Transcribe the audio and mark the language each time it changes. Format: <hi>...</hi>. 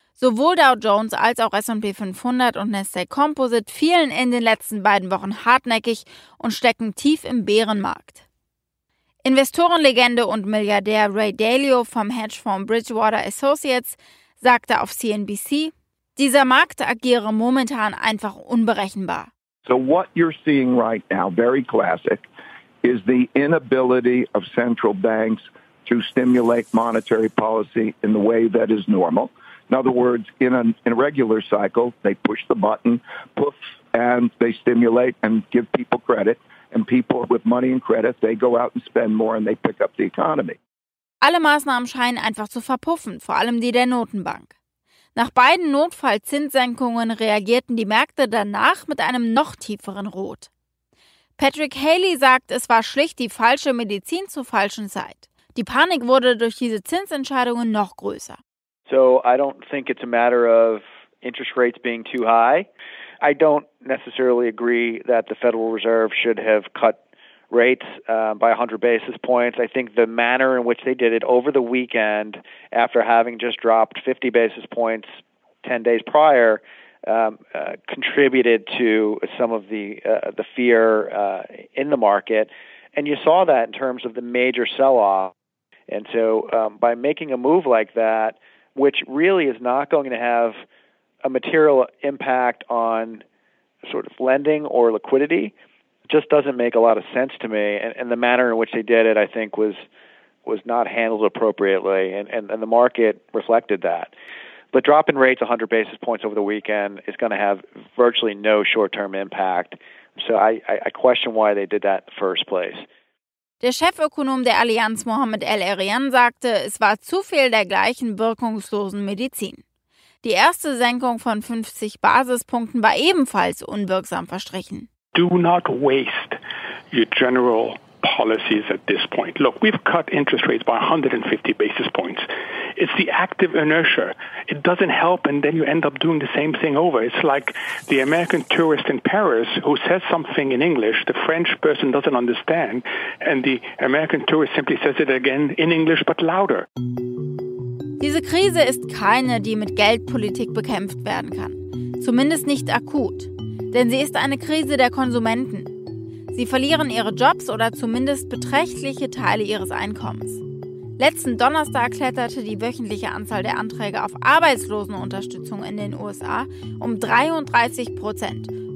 <de>Sowohl Dow Jones als auch S&P 500 und Nasdaq Composite fielen in den letzten beiden Wochen hartnäckig und stecken tief im Bärenmarkt. Investorenlegende und Milliardär Ray Dalio vom Hedgefonds Bridgewater Associates sagte auf CNBC, dieser Markt agiere momentan einfach unberechenbar.</de> <en>So what you're seeing right now, very classic, is the inability of central banks to stimulate monetary policy in the way that is normal. In other words, in a regular cycle, they push the button, poof, and they stimulate and give people credit. And people with money and credit, they go out and spend more and they pick up the economy.</en> <de>Alle Maßnahmen scheinen einfach zu verpuffen, vor allem die der Notenbank. Nach beiden Notfallzinssenkungen reagierten die Märkte danach mit einem noch tieferen Rot. Patrick Haley sagt, es war schlicht die falsche Medizin zur falschen Zeit. Die Panik wurde durch diese Zinsentscheidungen noch größer.</de> <en>So I don't think it's a matter of interest rates being too high. I don't necessarily agree that the Federal Reserve should have cut rates by 100 basis points. I think the manner in which they did it over the weekend after having just dropped 50 basis points 10 days prior contributed to some of the fear in the market. And you saw that in terms of the major sell-off. And so by making a move like that, which really is not going to have a material impact on sort of lending or liquidity, just doesn't make a lot of sense to me. And the manner in which they did it, I think, was not handled appropriately. And the market reflected that. But dropping rates 100 basis points over the weekend is going to have virtually no short-term impact. So I question why they did that in the first place.</en> <de>Der Chefökonom der Allianz, Mohammed El-Erian, sagte, es war zu viel der gleichen wirkungslosen Medizin. Die erste Senkung von 50 Basispunkten war ebenfalls unwirksam verstrichen.</de> <en>Do not waste your general policies at this point. Look, we've cut interest rates by 150 basis points. It's the active inertia. It doesn't help, and then you end up doing the same thing over. It's like the American tourist in Paris who says something in English the French person doesn't understand, and the American tourist simply says it again in English but louder.</en> <de>Diese Krise ist keine, die mit Geldpolitik bekämpft werden kann. Zumindest nicht akut. Denn sie ist eine Krise der Konsumenten. Sie verlieren ihre Jobs oder zumindest beträchtliche Teile ihres Einkommens. Letzten Donnerstag kletterte die wöchentliche Anzahl der Anträge auf Arbeitslosenunterstützung in den USA um 33%.</de>